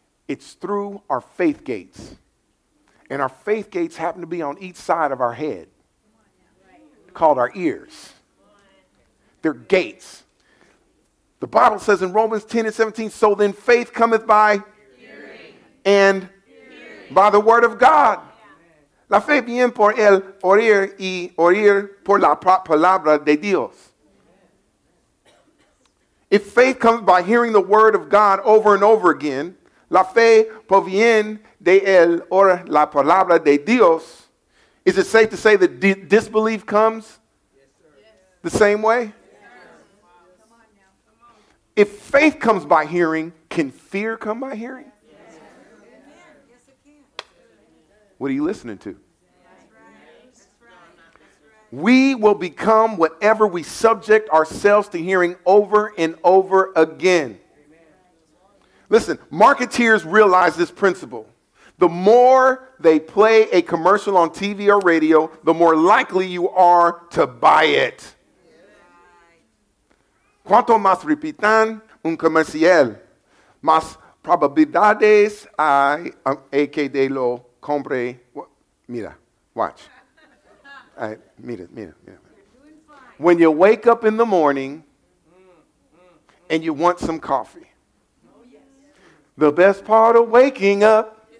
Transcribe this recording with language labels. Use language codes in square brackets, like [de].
[en] It's through our faith gates. And our faith gates happen to be on each side of our head, called our ears. They're gates. The Bible says in Romans 10 and 17, so then faith cometh by hearing. And hearing. By the word of God. [es] La fe viene por el oír y oír por la palabra de Dios. [en] If faith comes by hearing the word of God over and over again, [es] la fe proviene de el or la palabra de Dios. [en] Is it safe to say that disbelief comes the same way? If faith comes by hearing, can fear come by hearing? What are you listening to? We will become whatever we subject ourselves to hearing over and over again. Listen, marketeers realize this principle. The more they play a commercial on TV or radio, the more likely you are to buy it. [es] Cuanto más repitan un comercial, más probabilidades hay que de lo compre. Mira, [en] watch. [es] Mira. [en] When you wake up in the morning and you want some coffee, the best part of waking up.